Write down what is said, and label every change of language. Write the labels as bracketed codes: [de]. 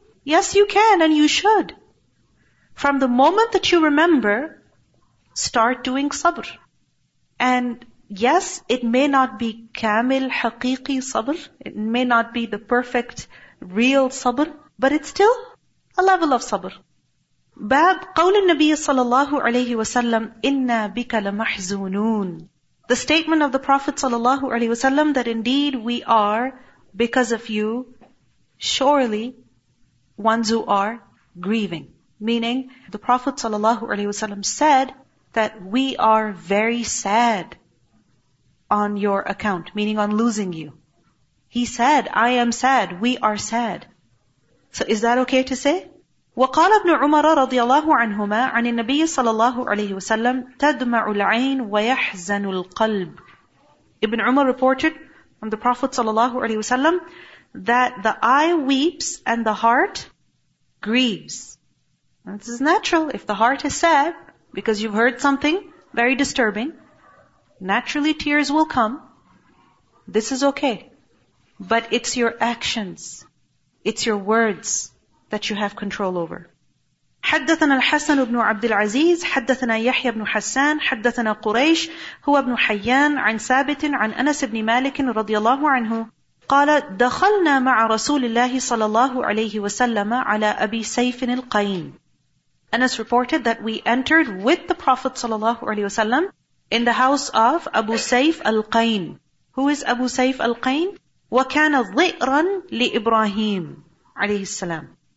[en] Yes, you can and you should. From the moment that you remember, start doing sabr. And yes, it may not be [ar] kamil haqiqi [en] sabr. It may not be the perfect real sabr, but it's still a level of sabr. [ar] Bab قول النبي صلى الله عليه وسلم إنا بك لمحزونون. [en] The statement of the Prophet sallallahu alaihi wasallam that indeed we are, because of you, surely ones who are grieving. Meaning, the Prophet sallallahu alaihi wasallam said that we are very sad on your account, meaning on losing you. He said, I am sad, we are sad. So is that okay to say? [ar] وقال ابن عمر رضي الله عنهما عن النبي صلى الله عليه وسلم تدمع العين ويحزن القلب. [en] Ibn Umar reported from the Prophet [ar] صلى الله عليه وسلم [en] that the eye weeps and the heart grieves. And this is natural. If the heart is sad because you've heard something very disturbing, naturally tears will come. This is okay. But it's your actions, it's your words that you have control over. [ar] حدثنا الحسن بن عبد العزيز حدثنا يحيى بن حسان حدثنا قريش هو بن حيان عن ثابت عن أنس بن مالك رضي الله عنه قال دخلنا مع رسول الله صلى الله عليه وسلم على أبي سيف القين. [en] Anas reported that we entered with the Prophet [ar] صلى الله عليه وسلم [en] in the house of Abu Sayf al-Qain. Who is Abu Sayf al-Qain? [ar] وكان ضئرا لإبراهيم عليه السلام.